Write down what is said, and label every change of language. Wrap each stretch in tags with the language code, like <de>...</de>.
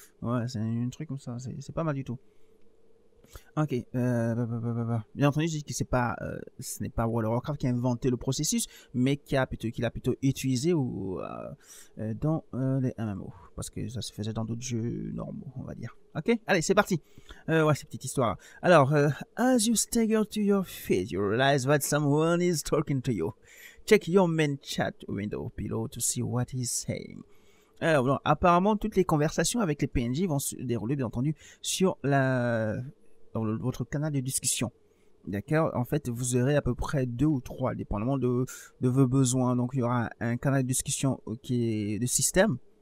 <fr>Ouais, c'est un truc comme ça, c'est pas mal du tout. Ok, bien entendu, je dis que ce n'est pas World of Warcraft qui a inventé le processus, mais qui l'a plutôt utilisé dans les MMO, parce que ça se faisait dans d'autres jeux normaux, on va dire. Ok, allez, c'est parti. Ouais, c'est une petite histoire.</fr> <en>Alors, as you stagger to your feet, you realize that someone is talking to you. Check your main chat window below to see what he's saying.</en> <fr>Alors, bon, apparemment, toutes les conversations avec les PNJ vont se dérouler, bien entendu, sur votre canal de discussion. D'accord? En fait, vous aurez à peu près deux ou trois, dépendamment de vos besoins. Donc, il y aura un canal de discussion qui est de système.</fr>